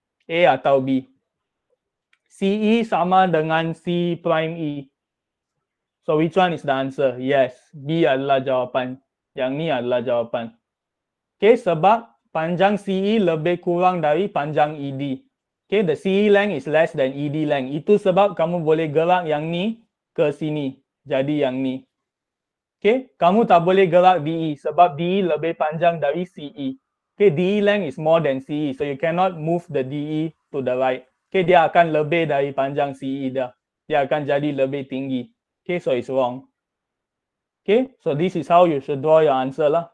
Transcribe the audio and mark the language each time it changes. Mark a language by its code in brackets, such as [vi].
[ms] A atau B? CE sama dengan C prime E. [en] So which one is the answer? Yes, [ms] B adalah jawapan. Yang ni adalah jawapan. Okay, sebab panjang CE lebih kurang dari panjang ED. [en] Okay, the CE length is less than ED length. [ms] Itu sebab kamu boleh gerak yang ni ke sini. Jadi yang ni. Okay, kamu tak boleh gerak DE sebab DE lebih panjang dari CE. [en] Okay, DE length is more than CE. So, you cannot move the DE to the right. [ms] Okay, dia akan lebih dari panjang CE dah. Dia akan jadi lebih tinggi. [en] Okay, so it's wrong. Okay, so this is how you should draw your answer lah.